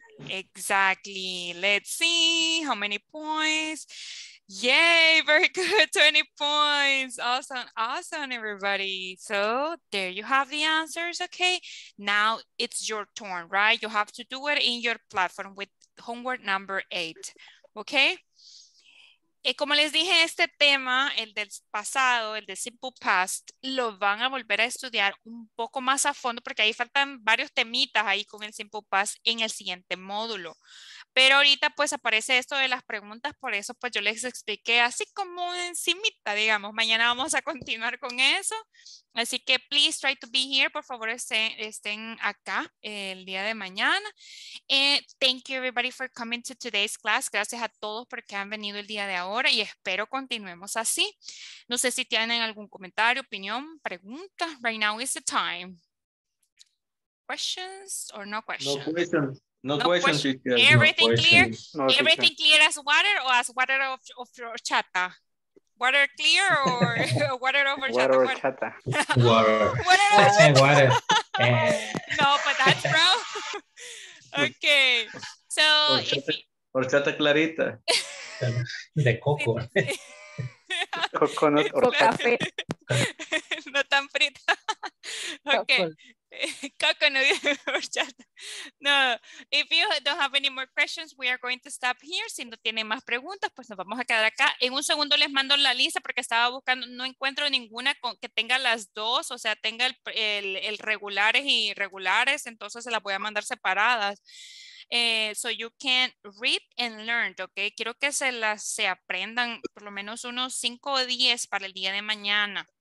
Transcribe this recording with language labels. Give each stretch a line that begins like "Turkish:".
English: Exactly. Let's see how many points. Yay, very good, 20 points. Awesome, awesome, everybody. So there you have the answers, okay? Now it's your turn, right? You have to do it in your platform with homework number 8, okay?
Spanish: Y como les dije, este tema, el del pasado, el de simple past, lo van a volver a estudiar un poco más a fondo porque ahí faltan varios temitas ahí con el simple past en el siguiente módulo. Pero ahorita pues aparece esto de las preguntas, por eso pues yo les expliqué así como encimita, digamos. Mañana vamos a continuar con eso. Así que
English: please try to be here,
Spanish: por favor estén acá el día de mañana.
English: Thank you everybody for coming to today's class.
Spanish: Gracias a todos porque han venido el día de ahora y espero continuemos así. No sé si tienen algún comentario, opinión, pregunta.
English: Right now is the time. Questions or no questions? No questions. No questions. Everything no clear? Questions. Everything clear as water or as water of horchata? Water clear or water of horchata? Water horchata. Water. Water. No, but that's wrong. Okay. So.
Spanish: Horchata clarita. De coco. Coco no café. No tan frita.
English: Okay. Coconut or chat. No, if you don't have any more questions, we are going to stop here.
Spanish: Si no tienen más preguntas, pues nos vamos a quedar acá. En un segundo les mando la lista porque estaba buscando, no encuentro ninguna con, que tenga las dos, o sea, tenga el regulares y irregulares, entonces se las voy a mandar separadas.
English: So you can read and learn, okay?
Spanish: Quiero que se aprendan por lo menos unos 5 o 10 para el día de mañana.